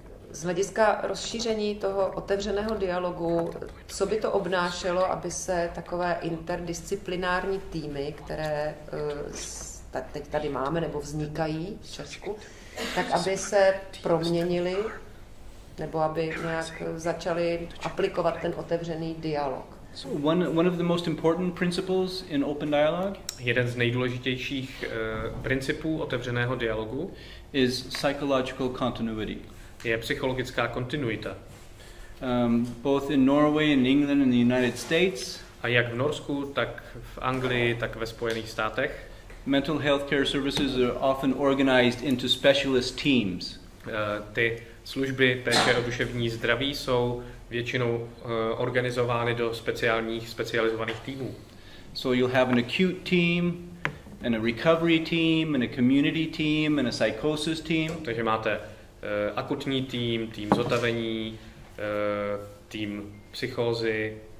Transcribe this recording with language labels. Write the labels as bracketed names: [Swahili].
[Czech] Z hlediska rozšíření toho otevřeného dialogu, co by to obnášelo, aby se takové interdisciplinární týmy, které teď tady máme nebo vznikají v Česku, tak aby se proměnili, nebo aby nějak začali aplikovat ten otevřený dialog. [English] One of the most important principles in open dialogue. [Czech] Jeden z nejdůležitějších principů otevřeného dialogu [English] is psychological continuity. [Czech] Je psychologická kontinuita. [English] Both in Norway and England and the United States. [Czech] A jak v Norsku, tak v Anglii, tak ve Spojených státech. [English] Mental health care services are often organized into specialist teams. [Czech] Ty služby péče o duševní zdraví jsou většinou organizovány do specializovaných týmů. [English] So you'll have an acute team and a recovery team and a community team and a psychosis team. [Czech] Takže máte akutní tým, tým zotavení, tým psychózy.